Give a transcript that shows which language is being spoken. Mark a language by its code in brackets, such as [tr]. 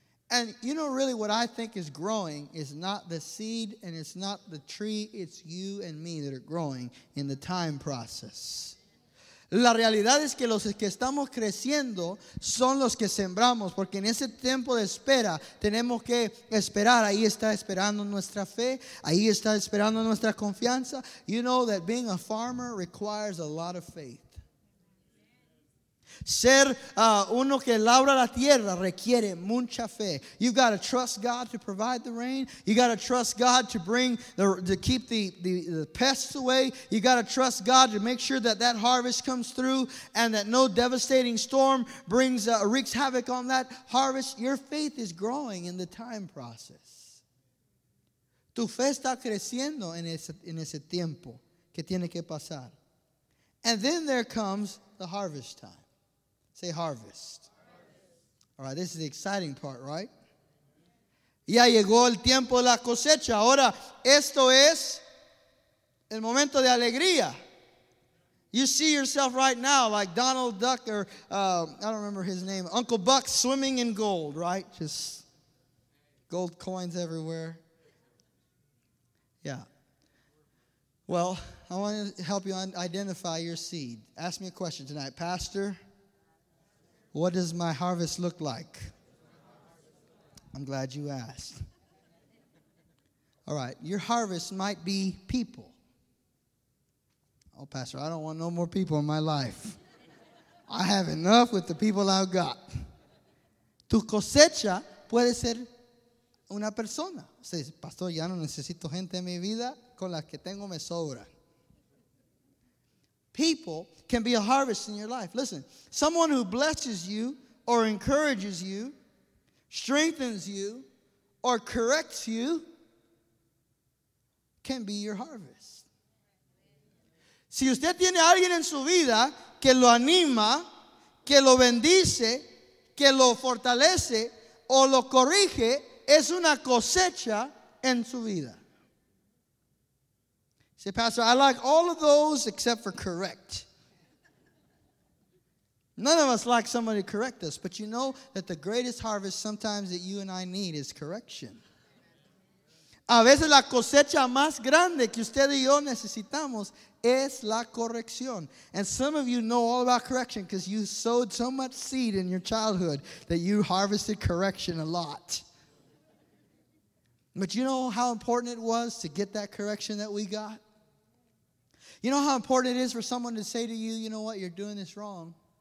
[en] And you know really what I think is growing is not the seed and it's not the tree, it's you and me that are growing in the time process. [es] La realidad es que los que estamos creciendo son los que sembramos, porque en ese tiempo de espera tenemos que esperar. Ahí está esperando nuestra fe, ahí está esperando nuestra confianza. [en] You know that being a farmer requires a lot of faith. [es] Ser uno que labra la tierra requiere mucha fe. [en] You've got to trust God to provide the rain. You got to trust God to bring to keep the pests away. You got to trust God to make sure that that harvest comes through and that no devastating storm wreaks havoc on that harvest. Your faith is growing in the time process. [es] Tu fe está creciendo en ese tiempo que tiene que pasar. [en] And then there comes the harvest time. Say harvest. All right, this is the exciting part, right? [es] Ya llegó el tiempo de la cosecha. Ahora, esto es el momento de alegría. [en] You see yourself right now like Donald Duck or I don't remember his name, Uncle Buck swimming in gold, right? Just gold coins everywhere. Yeah. Well, I want to help you identify your seed. Ask me a question tonight, Pastor. What does my harvest look like? I'm glad you asked. All right, your harvest might be people. Oh, Pastor, I don't want no more people in my life. I have enough with the people I've got. [es] Tu cosecha puede ser una persona. Say, Pastor, ya no necesito gente en mi vida. Con las que tengo me sobra. [en] People can be a harvest in your life. Listen, someone who blesses you or encourages you, strengthens you, or corrects you can be your harvest. [es] Si usted tiene alguien en su vida que lo anima, que lo bendice, que lo fortalece, o lo corrige, es una cosecha en su vida. [en] Say, Pastor, I like all of those except for correct. None of us like somebody to correct us, but you know that the greatest harvest sometimes that you and I need is correction. [es] A veces la cosecha más grande que usted y yo necesitamos es la corrección. [en] And some of you know all about correction because you sowed so much seed in your childhood that you harvested correction a lot. But you know how important it was to get that correction that we got? You know how important it is for someone to say to you, you know what, you're doing this wrong.